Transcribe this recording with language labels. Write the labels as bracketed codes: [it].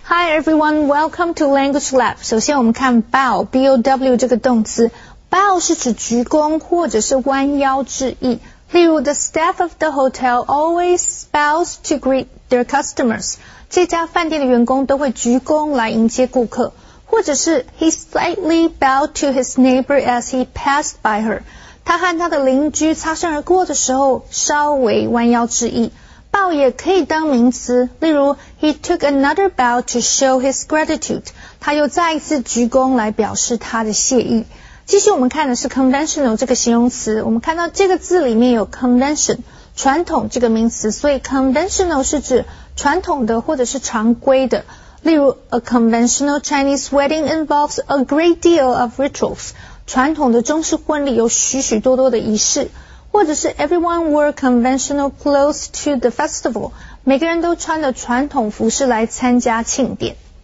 [en] Everyone, welcome to Language Lab. [zh] 首先我们看 [en] bow, B-O-W [zh] 这个动词。 Bow 是指鞠躬或者是弯腰致意。例如 [en] the staff of the hotel always bows to greet their customers. [zh] 这家饭店的员工都会鞠躬来迎接顾客。或者是 [en] he slightly bowed to his neighbor as he passed by her. [zh] 他和他的邻居擦身而过的时候稍微弯腰致意。 [en] Bow [zh] 也可以当名词，例如 [en] He took another bow to show his gratitude. [zh] 他又再一次鞠躬来表示他的谢意。继续我们看的是 conventional 这个形容词，我们看到这个字里面有 convention, 传统这个名词，所以 conventional 是指传统的或者是常规的。例如 [en] A conventional Chinese wedding involves a great deal of rituals. [zh] 传统的中式婚礼有许许多多的仪式。或者是 [en] everyone wore conventional clothes to the festival. [zh] 每个人都穿着传统服饰来参加庆典。